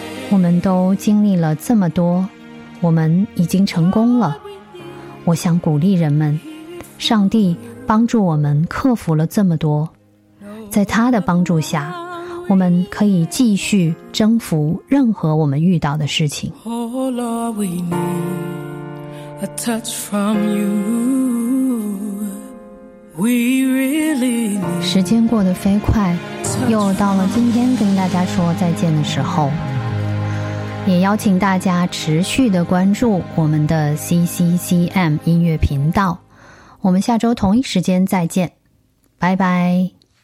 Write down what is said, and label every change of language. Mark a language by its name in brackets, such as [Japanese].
[Chinese] 我们都经历了这么多，我们已经成功了。我想鼓励人们，上帝帮助我们克服了这么多，在他的帮助下，我们可以继续征服任何我们遇到的事情。 [English] Oh Lord, we need a touch from you. We really need. [Chinese] 时间过得飞快，又到了今天跟大家说再见的时候，也邀请大家持续的关注我们的 CCCM 音乐频道，我们下周同一时间再见，拜拜。